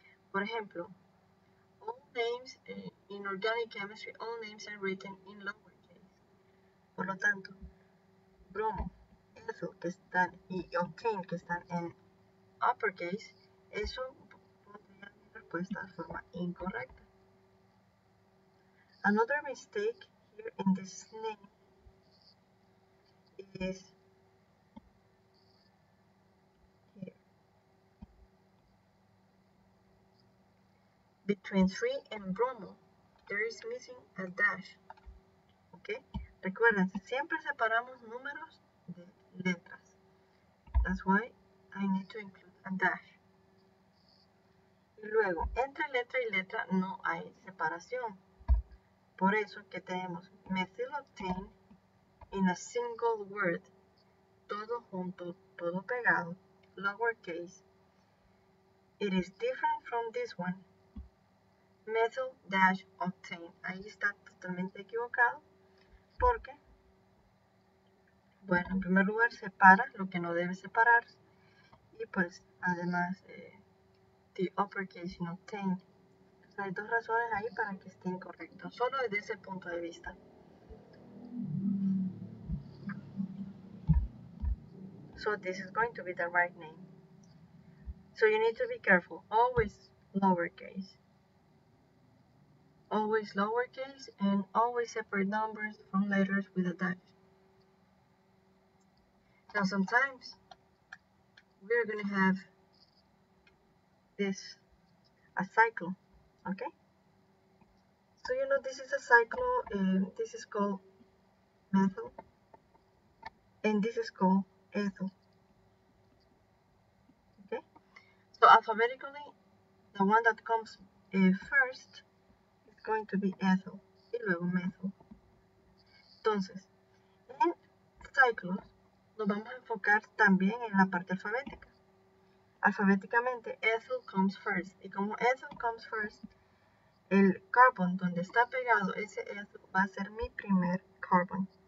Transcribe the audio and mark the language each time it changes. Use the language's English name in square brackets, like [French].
[Spanish] Por ejemplo, [English] all names in organic chemistry, all names are written in lowercase. [Spanish] Por lo tanto, bromo, ethyl, que están, y octane, que están en uppercase, eso podría ser la respuesta de forma incorrecta. [English] Another mistake here in this name is between 3 and Bromo, there is missing a dash. Okay? [Spanish] Recuerden, siempre separamos números de letras. [English] That's why I need to include a dash. [Spanish] Y luego, entre letra y letra no hay separación. Por eso que tenemos methyloctane [English] in a single word, [Spanish] todo junto, todo pegado, lowercase. [English] It is different from this one. Methyl dash octane. [Spanish] Ahí está totalmente equivocado porque, bueno, en primer lugar separa lo que no debe separar y pues además [English] the uppercase in octane. [Spanish] Pues hay dos razones ahí para que esté incorrecto, solo desde ese punto de vista. [English] So this is going to be the right name. So you need to be careful, always lowercase. Always lowercase and always separate numbers from letters with a dash. Now sometimes we're gonna have this a cycle, okay? So you know this is a cycle, this is called methyl and this is called ethyl. Okay? So alphabetically the one that comes first going to be ethyl [Spanish] y luego [English] methyl. [Spanish] Entonces, en cyclos nos vamos a enfocar también en la parte alfabética. Alfabéticamente, [English] ethyl comes first [Spanish] y como ethyl comes first, el carbon donde está pegado ese ethyl va a ser mi primer carbon.